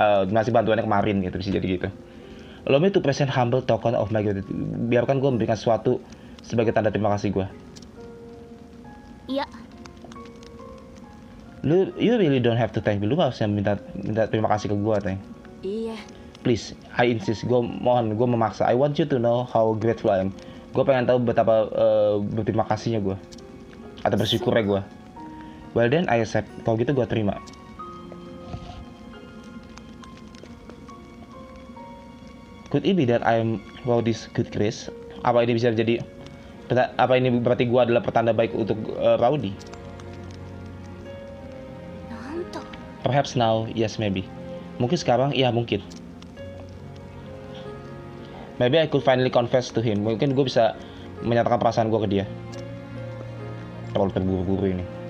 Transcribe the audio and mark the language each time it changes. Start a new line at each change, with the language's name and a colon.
Indonesian: Masih bantuannya kemarin gitu bisa jadi gitu.
English: Allow me to present humble token of my gratitude.
Indonesian: Biarkan gua memberikan sesuatu sebagai tanda terima kasih gua. Iya.
English: You really don't have to thank me.
Indonesian: Lu gak usah minta terima kasih ke gue, Teng. Iya.
English: Please, I insist.
Indonesian: Gue memaksa.
English: I want you to know how grateful I am.
Indonesian: Gue pengen tahu betapa berterima kasihnya gue. Atau bersyukurnya gue.
English: Well then, I accept.
Indonesian: Kalau gitu, gue terima.
English: Could it be that I'm well this good grace?
Indonesian: Apa ini bisa jadi... Apa ini berarti gue adalah pertanda baik untuk Rowdy?
English: Perhaps now, yes, maybe.
Indonesian: Mungkin sekarang, iya mungkin.
English: Maybe I could finally confess to him.
Indonesian: Mungkin gue bisa menyatakan perasaan gue ke dia. Terlalu terburu-buru ini.